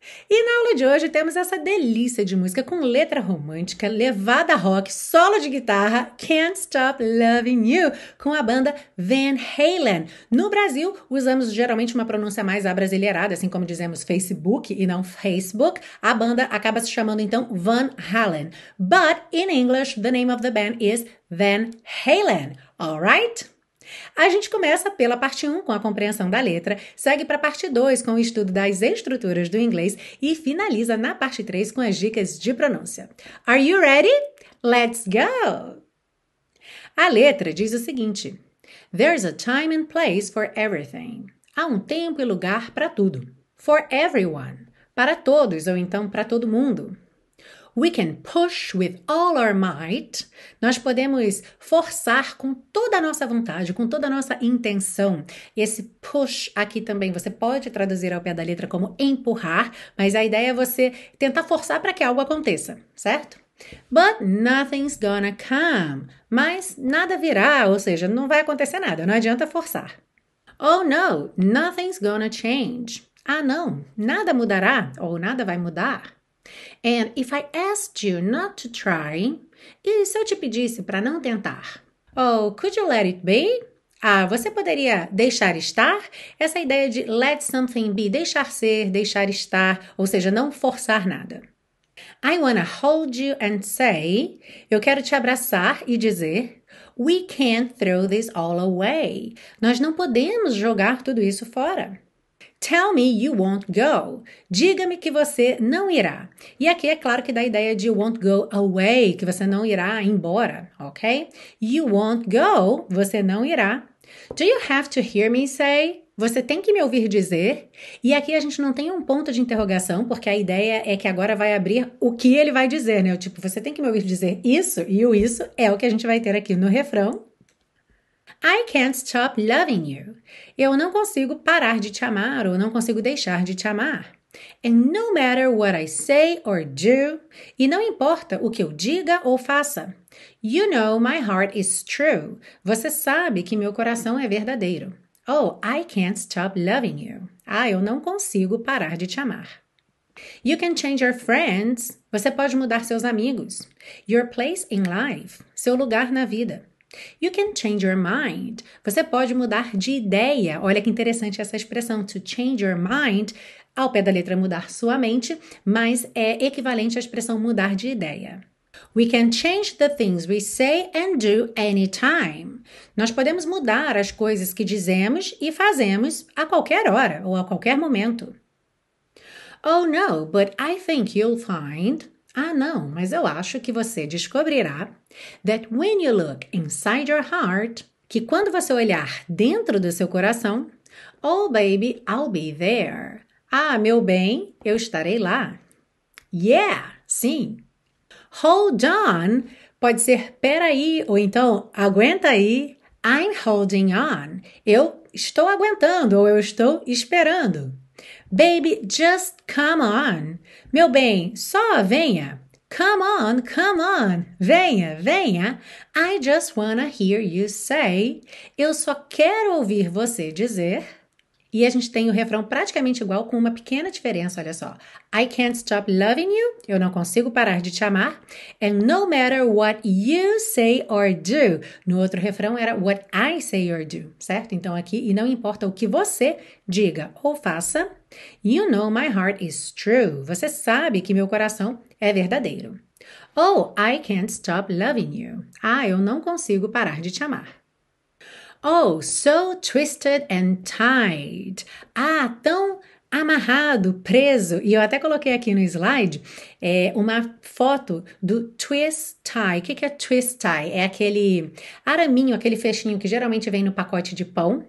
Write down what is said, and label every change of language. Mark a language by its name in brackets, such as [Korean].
[Portuguese] E na aula de hoje temos essa delícia de música com letra romântica, levada rock, solo de guitarra, Can't Stop Loving You, com a banda Van Halen. No Brasil, usamos geralmente uma pronúncia mais abrasileirada, assim como dizemos Facebook e não Facebook. A banda acaba se chamando então Van Halen. [English] But in English, the name of the band is Van Halen. All right? [Portuguese] A gente começa pela parte 1 com a compreensão da letra, segue para a parte 2 com o estudo das estruturas do inglês e finaliza na parte 3 com as dicas de pronúncia. [English] Are you ready? Let's go! [Portuguese] A letra diz o seguinte: [English] There's a time and place for everything. [Portuguese] Há um tempo e lugar para tudo. [English] For everyone. [Portuguese] Para todos ou então para todo mundo. [English] We can push with all our might. [Portuguese] Nós podemos forçar com toda a nossa vontade, com toda a nossa intenção. Esse push aqui também você pode traduzir ao pé da letra como empurrar, mas a ideia é você tentar forçar para que algo aconteça, certo? [English] But nothing's gonna come. [Portuguese] Mas nada virá, ou seja, não vai acontecer nada, não adianta forçar. [English] Oh no, nothing's gonna change. [Portuguese] Ah não, nada mudará ou nada vai mudar. [English] And if I asked you not to try, [Portuguese] e se eu te pedisse para não tentar? [English] Oh, could you let it be? [Portuguese] Ah, você poderia deixar estar? Essa ideia de [English] let something be, [Portuguese] deixar ser, deixar estar, ou seja, não forçar nada. [English] I wanna hold you and say, [Portuguese] eu quero te abraçar e dizer, [English] we can't throw this all away. [Portuguese] Nós não podemos jogar tudo isso fora. [English] Tell me you won't go. [Portuguese] Diga-me que você não irá. E aqui é claro que dá a ideia de [English] won't go away, [Portuguese] que você não irá embora, ok? [English] You won't go, [Portuguese] você não irá. [English] Do you have to hear me say? [Portuguese] Você tem que me ouvir dizer. E aqui a gente não tem um ponto de interrogação, porque a ideia é que agora vai abrir o que ele vai dizer, né? Tipo, você tem que me ouvir dizer isso, e o isso é o que a gente vai ter aqui no refrão. [English] I can't stop loving you. [Portuguese] Eu não consigo parar de te amar ou não consigo deixar de te amar. [English] And no matter what I say or do, [Portuguese] e não importa o que eu diga ou faça. [English] You know my heart is true. [Portuguese] Você sabe que meu coração é verdadeiro. [English] Oh, I can't stop loving you. [Portuguese] Ah, eu não consigo parar de te amar. [English] You can change your friends. [Portuguese] Você pode mudar seus amigos. [English] Your place in life. [Portuguese] Seu lugar na vida. [English] You can change your mind. [Portuguese] Você pode mudar de ideia. Olha que interessante essa expressão, [English] to change your mind. [Portuguese] Ao pé da letra, mudar sua mente, mas é equivalente à expressão mudar de ideia. [English] We can change the things we say and do anytime. [Portuguese] Nós podemos mudar as coisas que dizemos e fazemos a qualquer hora ou a qualquer momento. [English] Oh no, but I think you'll find. [Portuguese] Ah, não, mas eu acho que você descobrirá [English] that when you look inside your heart, [Portuguese] que quando você olhar dentro do seu coração, [English] oh baby, I'll be there. [Portuguese] Ah, meu bem, eu estarei lá. Yeah, sim. [English] Hold on, [Portuguese] pode ser peraí, ou então aguenta aí. [English] I'm holding on. [Portuguese] Eu estou aguentando, ou eu estou esperando. [English] Baby, just come on. [Portuguese] Meu bem, só venha. [English] Come on, come on. [Portuguese] Venha, venha. [English] I just wanna hear you say. [Portuguese] Eu só quero ouvir você dizer. E a gente tem o refrão praticamente igual, com uma pequena diferença, olha só. [English] I can't stop loving you. [Portuguese] Eu não consigo parar de te amar. [English] And no matter what you say or do. [Portuguese] No outro refrão era [English] what I say or do, [Portuguese] certo? Então aqui, e não importa o que você diga ou faça, [English] you know my heart is true. [Portuguese] Você sabe que meu coração é verdadeiro. [English] Oh, I can't stop loving you. [Portuguese] Ah, eu não consigo parar de te amar. [English] Oh, so twisted and tied. [Portuguese] Ah, tão amarrado, preso. E eu até coloquei aqui no slide uma foto do twist tie. O que que é twist tie? É aquele araminho, aquele fechinho que geralmente vem no pacote de pão.